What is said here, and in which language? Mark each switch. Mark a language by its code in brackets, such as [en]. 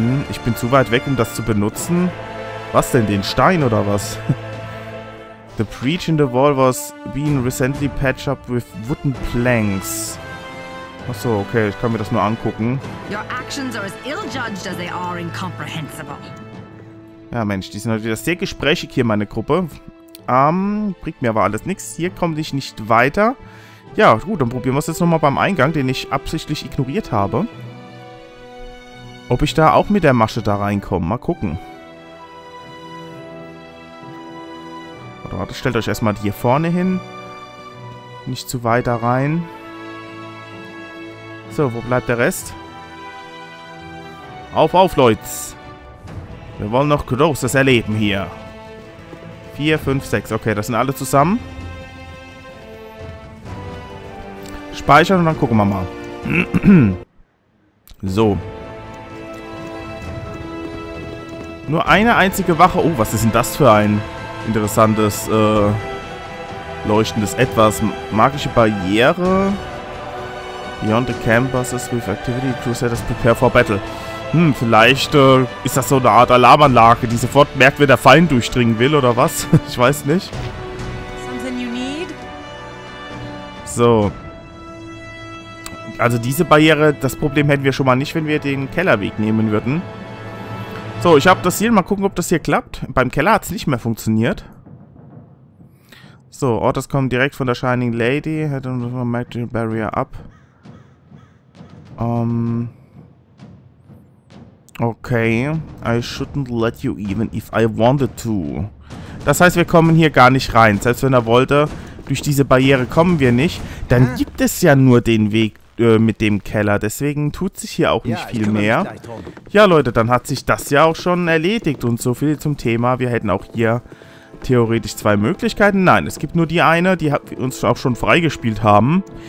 [de] ich bin zu weit weg, um das zu benutzen. Was denn, den Stein oder was? [en] The breach in the wall was being recently patched up with wooden planks. [de] Achso, okay, ich kann mir das nur angucken. [en] Your actions are as ill-judged as they are incomprehensible. [de] Ja, Mensch, die sind heute wieder sehr gesprächig hier, meine Gruppe. Bringt mir aber alles nichts. Hier komme ich nicht weiter. Ja, gut, dann probieren wir es jetzt nochmal beim Eingang, den ich absichtlich ignoriert habe. Ob ich da auch mit der Masche da reinkomme. Mal gucken. Warte, stellt euch erstmal hier vorne hin. Nicht zu weit da rein. So, wo bleibt der Rest? Auf, Leute! Wir wollen noch Großes erleben hier. 4, 5, 6. Okay, das sind alle zusammen. Speichern und dann gucken wir mal. So. Nur eine einzige Wache. Oh, was ist denn das für ein interessantes, leuchtendes Etwas? Magische Barriere. [en] Beyond the campuses with activity crusaders prepare for battle. [de] Vielleicht ist das so eine Art Alarmanlage, die sofort merkt, wenn der Feind durchdringen will oder was. Ich weiß nicht. [en] Something you need? [de] So. Also diese Barriere, das Problem hätten wir schon mal nicht, wenn wir den Kellerweg nehmen würden. So, ich habe das hier. Mal gucken, ob das hier klappt. Beim Keller hat es nicht mehr funktioniert. So, Orders kommen direkt von der Shining Lady. Hätte eine Magic Barrier ab. [en] Okay, I shouldn't let you even if I wanted to. [de] Das heißt, wir kommen hier gar nicht rein. Selbst wenn er wollte, durch diese Barriere kommen wir nicht. Dann gibt es ja nur den Weg mit dem Keller. Deswegen tut sich hier auch nicht viel mehr. Ja, Leute, dann hat sich das ja auch schon erledigt. Und so viel zum Thema. Wir hätten auch hier theoretisch zwei Möglichkeiten. Nein, es gibt nur die eine, die wir uns auch schon freigespielt haben.